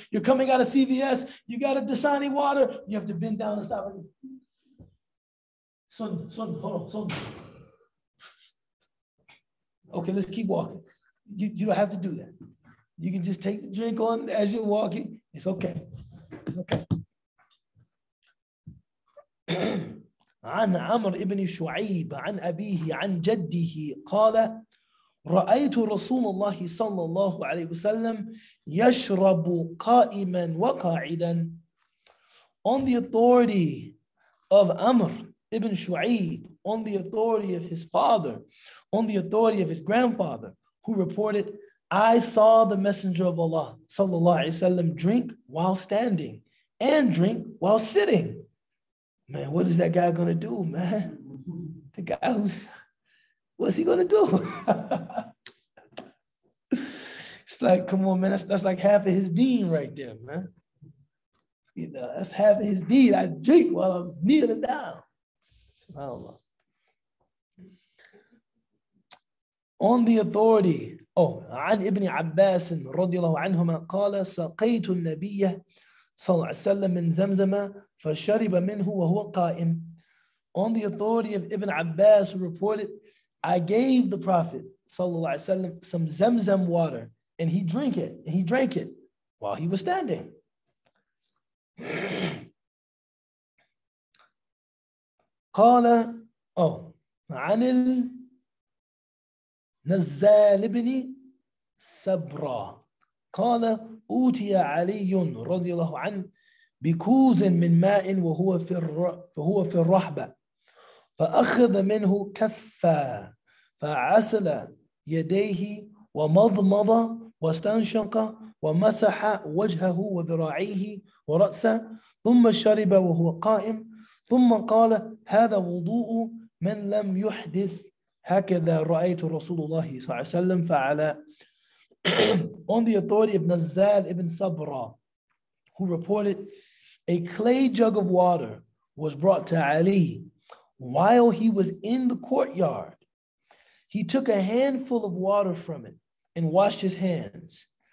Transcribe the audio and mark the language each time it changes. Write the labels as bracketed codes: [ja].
[en] You're coming out of CVS, you got a Dasani water, you have to bend down and stop. Sun, hold on. Okay, let's keep walking. You don't have to do that. You can just take the drink on as you're walking. It's okay. It's okay. [ar] عن عمر ابن شعيب عن أبيه عن جده قال رأيت رسول الله صلى الله عليه وسلم يشرب قائما وقاعدا. [en] On the authority of Amr ibn Shu'ayb, on the authority of his father, on the authority of his grandfather, who reported, I saw the Messenger of Allah, [ar] sallallahu alayhi wa sallam, [en] drink while standing and drink while sitting. Man, what is that guy going to do, man? The guy who's, what's he going to do? It's like, come on, man, that's like half of his deen right there, man. You know, that's half of his deed. I drink while I'm kneeling down. SubhanAllah. On the authority, [ar] عن ابن عباس رضي الله عنهما قال سقيت النبي صلى الله عليه وسلم من زمزم فشرب منه وهو قائم. [en] On the authority of Ibn Abbas, who reported, I gave the Prophet [ar] صلى الله عليه وسلم [en] some zamzam water, and he drank it. And he drank it while he was standing. [ar] قال عن النزال بن سبرا قال أوتي علي رضي الله عنه بكوز من ماء وهو في الرحبة فأخذ منه كفا فعسل يديه ومضمض واستنشق ومسح وجهه وذراعيه ورأسه ثم شرب وهو قائم ثم قال هذا وضوء من لم يحدث هكذا رأيت رسول الله صلى الله عليه وسلم فعلى. [en] On the authority of Nazal ibn Sabra, who reported, a clay jug of water was brought to Ali while he was in the courtyard. He took a handful of water from it and washed his hands.